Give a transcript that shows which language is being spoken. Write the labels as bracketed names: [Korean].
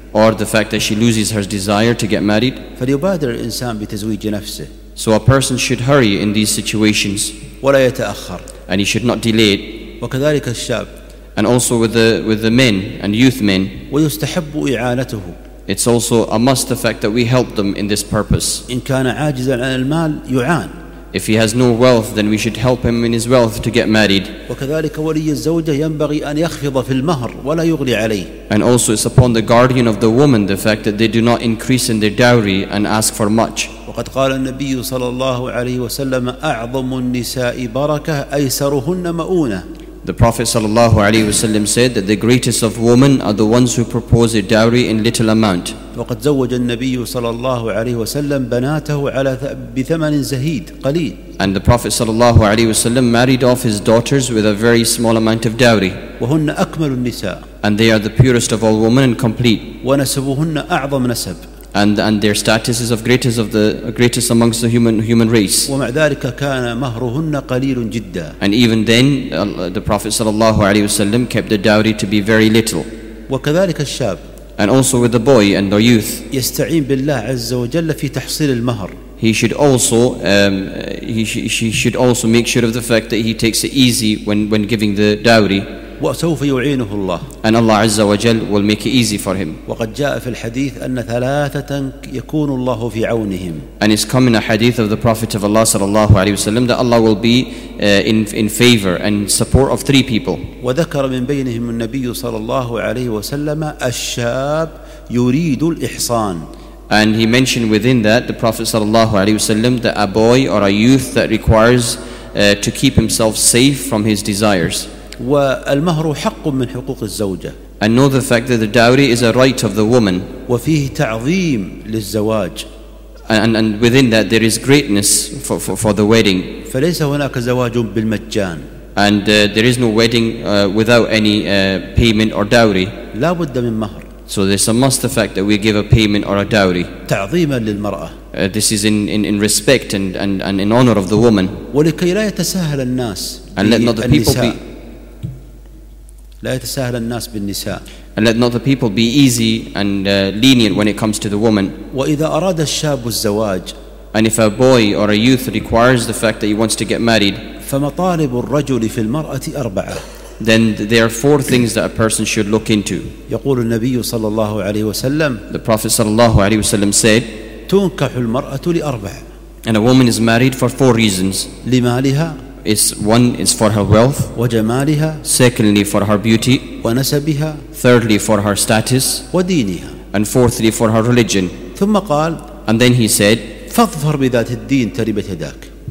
[English] Or the fact that she loses her desire to get married. [Arabic] فليبادر الإنسان بتزويج نفسه. [English] So a person should hurry in these situations. [Arabic] ولا يتأخر. [English] And he should not delay it. [Arabic] وكذلك الشاب. [English] And also with the men and youth men. [Arabic] ويستحب إعانته. [English] It's also a must the fact that we help them in this purpose. [Arabic] إن كان عاجزا عن المال يعان. [English] If he has no wealth, then we should help him in his wealth to get married. [Arabic] وكذلك ولي الزوجة ينبغي أن يخفض في المهر ولا يغلي عليه. [English] And also, it's upon the guardian of the woman the fact that they do not increase in their dowry and ask for much. [Arabic] وقد قال النبي صلى الله عليه وسلم أعظم النساء بركة أيسرهن مؤونة. [English] The Prophet صلى الله عليه وسلم said that the greatest of women are the ones who propose a dowry in little amount. [Arabic] وقد زوج النبي صلى الله عليه وسلم بناته على بثمن زهيد قليل. [English] And the Prophet صلى الله عليه وسلم married off his daughters with a very small amount of dowry. [Arabic] وهن أكمل النساء. [English] And they are the purest of all women and complete. [Arabic] ونسبهن أعظم نسب. [English] And their status is of the greatest amongst the human race. [Arabic] ومع ذلك كان مهرهن قليل جدا. [English] And even then, the Prophet صلى الله عليه وسلم kept the dowry to be very little. [Arabic] وكذلك الشاب. [English] And also with the boy and the youth. [Arabic] يستعين بالله عز وجل في تحصيل المهر. [English] He should also make sure of the fact that he takes it easy when giving the dowry. [Arabic] وسوف يعينه الله. [English] And Allah عز وجل will make it easy for him. [Arabic] وقد جاء في الحديث أن ثلاثة يكون الله في عونهم. [English] And it's come in a hadith of the Prophet of Allah صلى الله عليه وسلم that Allah will be in favor and support of three people. [Arabic] وذكر من بينهم النبي صلى الله عليه وسلم الشاب يريد الإحصان. [English] And he mentioned within that the Prophet صلى الله عليه وسلم that a boy or a youth that requires to keep himself safe from his desires. [Arabic] والمهر حق من حقوق الزوجة. [English] And know the fact that the dowry is a right of the woman. [Arabic] وفيه تعظيم للزواج. [English] And within that there is greatness for the wedding. [Arabic] فليس هناك زواج بالمجان. [English] And there is no wedding without any payment or dowry. [Arabic] لا بد من مهر. [English] So there's a must the fact that we give a payment or a dowry. [Arabic] تعظيما للمرأة. [English] This is in respect and in honor of the woman. [Arabic] ولكي لا يتساهل الناس. [English] And let not the people be. [Arabic] لا يتساهل الناس بالنساء. [English] And let not the people be easy and lenient when it comes to the woman. [Arabic] وإذا أراد الشاب الزواج. [English] And if a boy or a youth requires the fact that he wants to get married. [Arabic] فمطالب الرجل في المرأة أربعة. [English] Then there are four things that a person should look into. [Arabic] يقول النبي صلى الله عليه وسلم. [English] The Prophet صلى الله عليه وسلم said. [Arabic] تنكح المرأة لأربعة. [English] And a woman is married for four reasons. [Arabic] لمالها. [English] Is one is for her wealth. [Arabic] وجمالها. [English] Secondly, for her beauty. [Arabic] ونسبها. [English] Thirdly, for her status. [Arabic] ودينها. [English] And fourthly, for her religion. [Arabic] ثم قال. [English] And then he said. [Arabic] فاظفر بذات الدين تربت يداك.